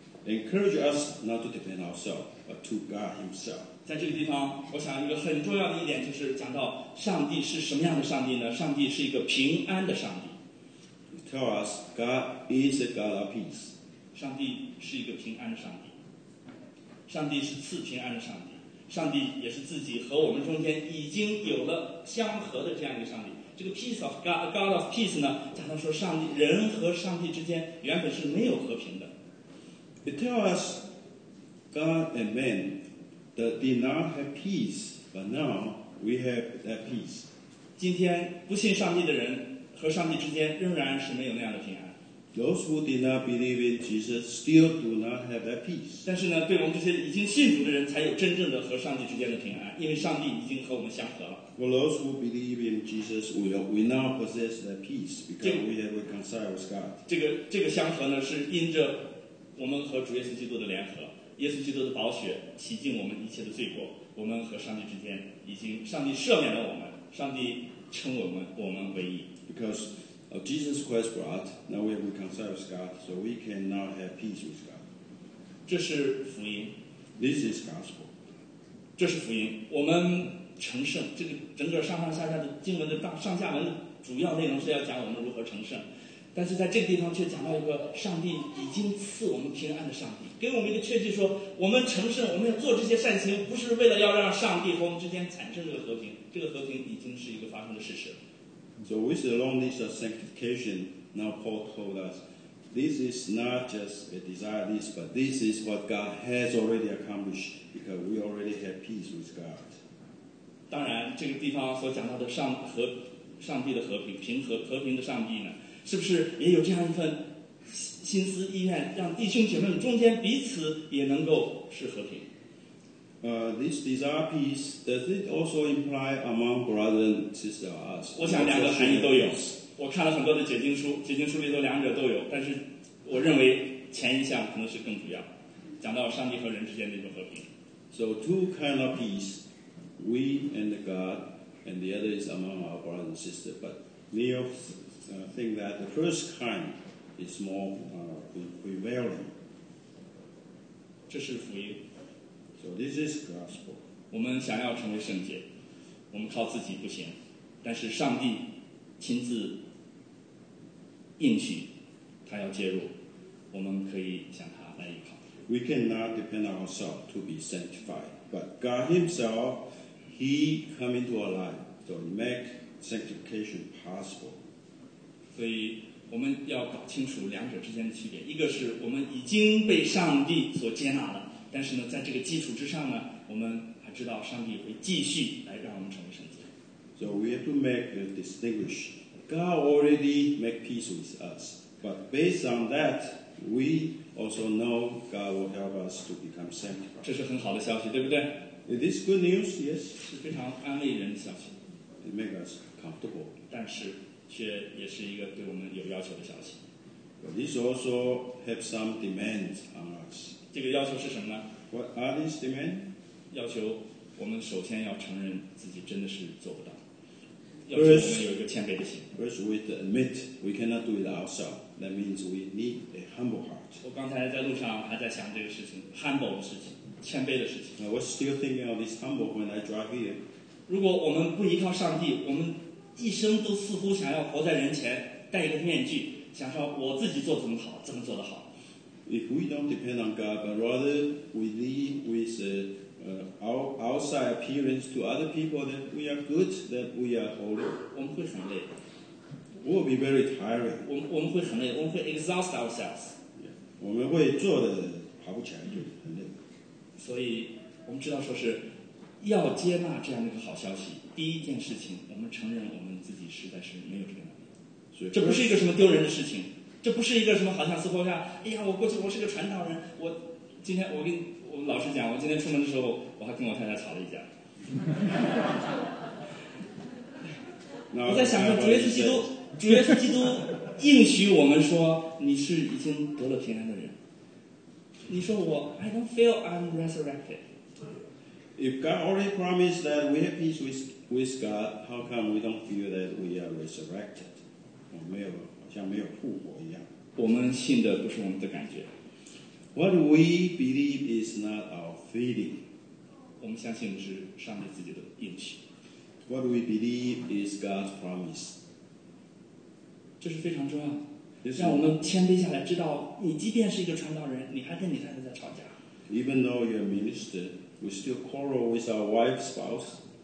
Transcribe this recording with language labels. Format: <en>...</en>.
<en>Encourage us not to depend ourselves, but to God Himself.</en> <zh>在这个地方，我想一个很重要的一点就是讲到上帝是什么样的上帝呢？上帝是一个平安的上帝。</zh> <en>Tell us, God is a God of peace.</en> <zh>上帝是一个平安的上帝。上帝是赐平安的上帝，上帝也是自己和我们中间已经有了相合的这样一个上帝。这个</zh> <en>peace of God, God of peace</en> <zh>呢，加上说上帝人和上帝之间原本是没有和平的。</zh> <en>It tells us God and man that did not have peace, but now we have that peace.</en> <zh>今天不信上帝的人和上帝之间仍然是没有那样的平安。</zh> <en>Those who did not believe in Jesus still do not have that peace.</en> <zh>但是呢，对我们这些已经信主的人，才有真正的和上帝之间的平安，因为上帝已经和我们相合了。</zh> <en>For those who believe in Jesus, we now possess that peace because we have reconciled with God.</en> <zh>这个相合呢，是因着我们和主耶稣基督的联合，耶稣基督的宝血洗净我们一切的罪过，我们和上帝之间已经，上帝赦免了我们，上帝称我们为义。</zh> <en>Because of Jesus Christ brought, now we have reconciled with God, so we can now have peace with God.</en> <zh>这是福音。</zh> <en>This is gospel.</en> <zh>这是福音。我们成圣，这个整个上上下下的经文的上下文的主要内容是要讲我们如何成圣，但是在这个地方却讲到一个上帝已经赐我们平安的上帝，给我们一个确据说，我们成圣，我们要做这些善行，不是为了要让上帝和我们之间产生这个和平，这个和平已经是一个发生的事实。</zh> <en>So with the long list of sanctification, now Paul told us, this is not just a desire list, but this is what God has already accomplished because we already have peace with God.</en> <zh>当然，这个地方所讲到的上和上帝的和平，平和和平的上帝呢，是不是也有这样一份心思意愿，让弟兄姐妹们中间彼此也能够是和平？</zh> <en>This desire peace, does it also imply among brothers and sisters?</en> <zh>我想两个含义都有。我看了很多的解经书，解经书里头两者都有，但是我认为前一项可能是更主要，讲到上帝和人之间的一种和平。</zh> <en>So two kind of peace, we and God, and the other is among our brothers and sisters. But Neil think that the first kind is more prevailing.</en> <zh>这是福音。</zh> <en>So this is gospel.</en> <zh>我们想要成为圣洁，我们靠自己不行，但是上帝亲自应许，他要介入，我们可以向他来依靠。</zh> <en>We cannot depend on ourselves to be sanctified, but God Himself, He come into our life to make sanctification possible.</en> <zh>所以我们要搞清楚两者之间的区别，一个是我们已经被上帝所接纳了，但是呢，在这个基础之上呢，我们还知道上帝会继续来让我们成为圣洁。</zh> <en>So we have to make a distinguish. God already make peace with us, but based on that, we also know God will help us to become sanctified.</en> <zh>这是很好的消息，对不对</zh> <en>？Is this good news? Yes.</en> <zh>是非常安慰人的消息。</zh> <en>It makes us comfortable.</en> <zh>但是，却也是一个对我们有要求的消息。</zh> <en>But this also has some demands on us.</en> <zh>这个要求是什么呢</zh> <en>？What are these demands?</en> <zh>要求我们首先要承认自己真的是做不到。</zh> <en>First, we admit we cannot do it ourselves. That means we need a humble heart.</en> <zh>我刚才在路上还在想这个事情 ，humble 的事情，谦卑的事情。</zh> <en>I was still thinking of this humble when I drive here.</en> <zh>如果我们不依靠上帝，我们一生都似乎想要活在人前，戴一个面具，想说我自己做怎么好，怎么做得好。</zh> <en>If we don't depend on God, but rather we live with outside appearance to other people that we are good, that we are holy.</en> <zh>我们会很累。</zh> <en>We will be very tiring.</en> <zh>我们会很累，我们会</zh> <en>exhaust ourselves.</en> <zh>Yeah. 我们会做的跑不起来，就很累。所以我们知道，说是要接纳这样的一个好消息。第一件事情，我们承认我们自己实在是没有这个能力。所以这不是一个什么丢人的事情，这不是一个什么好像似乎像，哎呀，我过去我是个传道人，我今天我跟。我老实讲，我今天出门的时候，我还跟我太太吵了一架。</zh> <en>Now,</en> <zh>我在想说，主耶稣基督应许我们说，你是已经得了平安的人。你说我</zh> <en>，I don't feel I'm resurrected. If God already promised that we have peace with God, how come we don't feel that we are resurrected?</en> <zh>我没有，好像没有复活一样。我们信的不是我们的感觉。</zh> <en>What we believe is not our feeling.</en> <zh>我们相信的是上帝自己的应许。</zh> <en>What we believe is God's promise.</en> <zh>这是非常重要的，让我们谦卑下来，知道你即便是一个传道人，你还跟你太太在吵架。</zh> <en>Even though you're a minister, we still quarrel with our wife, spouse.</en>